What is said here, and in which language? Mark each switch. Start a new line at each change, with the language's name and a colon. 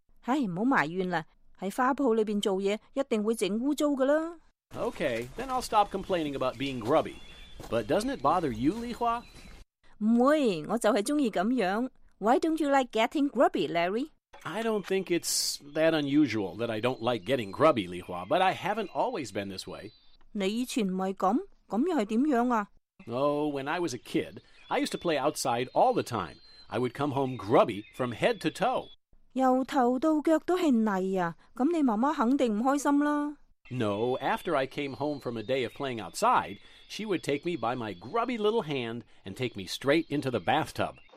Cantonese: 唉，唔好埋怨啦。在花圃里面做嘢，一定会整污糟噶啦。
English: Okay, then I'll stop complaining about being grubby. But doesn't it bother you, Li Hua?
Cantonese: 唔会，我就系中意咁样。 Why don't you like getting grubby, Larry?
English: I don't think it's that unusual that I don't like getting grubby, Li Hua. But I haven't always been this way.
Cantonese: 你以前唔系咁，咁又系点样啊
English: ？Oh, when I was a kid, I used to play outside all the time. I would come home grubby from head to toe.
Cantonese: 由头到脚都系泥啊！咁你妈妈肯定唔开心啦。
English: No, after I came home from a day of playing outside, she would take me by my grubby little hand and take me straight into the bathtub.